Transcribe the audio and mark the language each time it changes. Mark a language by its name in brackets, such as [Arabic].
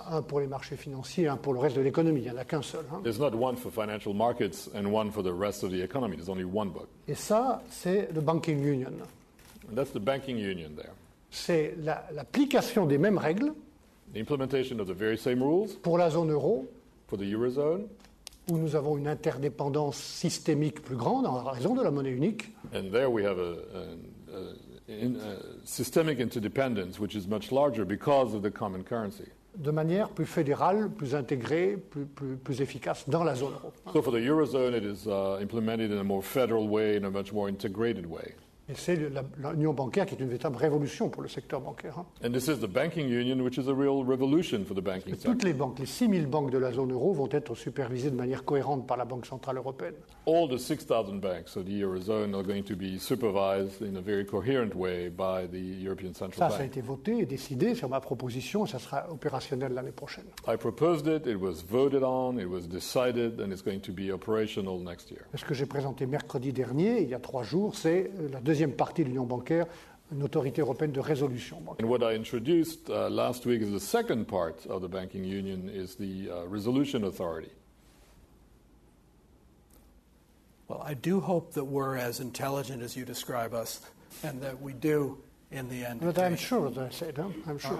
[French] Un pour les marchés financiers, un pour le reste de l'économie. Il n'y en a qu'un seul. Hein. [English] There's not one for financial markets and one for the rest of the economy. There's only one book. [French] Et ça, c'est le [English] banking union. And that's the banking union there. [French] C'est l'application des mêmes règles. [English] The implementation of the very same rules. [French] Pour la zone euro. [English] For the eurozone. [French] Où nous avons une interdépendance systémique plus grande en raison de la monnaie unique. [English] And there we have a systemic interdependence which is much larger because of the common currency. [French] De manière plus fédérale, plus intégrée, plus efficace dans la zone euro. [English] So for the eurozone it is implemented in a more federal way, in a much more integrated way. [French] Et c'est l'union bancaire qui est une véritable révolution pour le secteur bancaire. Hein. [English] And this is the banking union which is a real revolution for the banking sector. [French] Toutes les banques, les 6000 banques de la zone euro vont être supervisées de manière cohérente par la Banque centrale européenne. [English] All the 6000 banks of the eurozone are going to be supervised in a very coherent way by the European Central Bank. [French] Ça a été voté et décidé sur ma proposition et ça sera opérationnel l'année prochaine. [English] I proposed it, it was voted on, it was decided and it's going to be operational next year. [French] Ce que j'ai présenté mercredi dernier, il y a 3 jours, c'est la deuxième partie de l'Union bancaire, une autorité européenne de résolution bancaire. [English] And what I introduced last week is the second part of the banking union, is the resolution authority. Well, I do hope that we're as intelligent as you describe us, and that we do in the end. But I'm sure that I said, I'm sure.